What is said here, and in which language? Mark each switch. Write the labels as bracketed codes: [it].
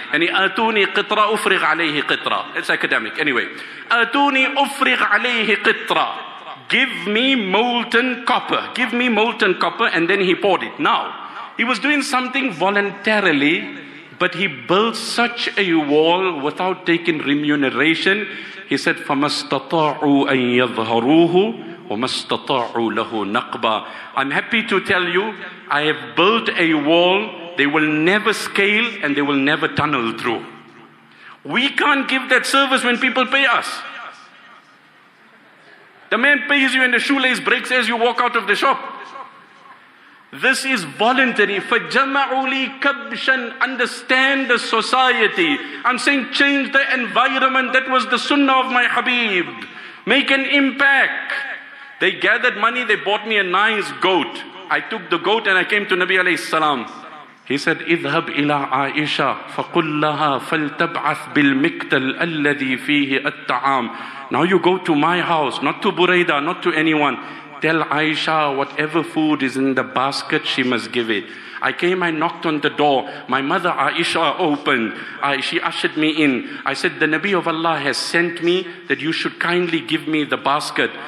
[en] And he, [ar] atuni Qitra, ufrigh alayhi Qitra. [en] It's academic, anyway. [ar] Atuni ufrigh alayhi Qitra. [en] Give me molten copper. Give me molten copper, and then he poured it. Now, he was doing something voluntarily, but he built such a wall without taking remuneration. He said, [ar] فَمَسْتَطَاعُوا أَن يَظْهَرُوهُ وَمَسْتَطَاعُوا لَهُ نَقْبًا. [en] I'm happy to tell you, I have built a wall, they will never scale and they will never tunnel through. We can't give that service when people pay us. The man pays you and the shoelace breaks as you walk out of the shop. This is voluntary. [ar] فَجَمَعُوا لِي كَبْشًا. [en] Understand the society. I'm saying change the environment. That was the sunnah of my Habib. Make an impact. They gathered money. They bought me a nice goat. I took the goat and I came to Nabi alayhi salam. He said, [ar] اِذْهَبْ إِلَىٰ عَائِشَةَ فَقُلْ لَهَا فَلْتَبْعَثْ بِالْمِكْتَلْ أَلَّذِي فِيهِ الطَّعَامِ. [en] Now you go to my house, not to Burayda, not to anyone. Tell Aisha whatever food is in the basket, she must give it. I came, I knocked on the door. My mother Aisha opened. She ushered me in. I said, the Nabi of Allah has sent me that you should kindly give me the basket.